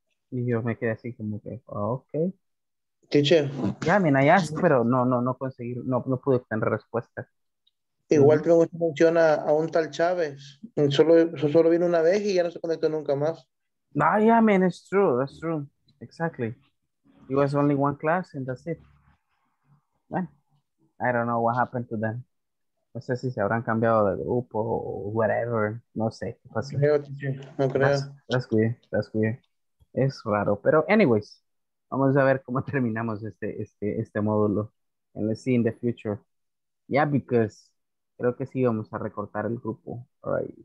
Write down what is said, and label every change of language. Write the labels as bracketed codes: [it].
[es] Y yo me quedé así como que, ok. [en] Teacher. [es] Ya, yeah, me asked, pero no pude tener respuesta. Igual tengo mucha mención a un tal Chávez. Solo vino una vez y ya no se conectó nunca más. [en] Ah, ya, yeah, man, that's true. Exactly. It was only one class and that's it. Well, I don't know what happened to them. [es] No sé si se habrán cambiado de grupo o whatever. No sé. No creo. Es raro. Pero anyways, vamos a ver cómo terminamos este módulo. [en] And let's see in the future. Yeah, because [es] creo que sí vamos a recortar el grupo. [en] All right.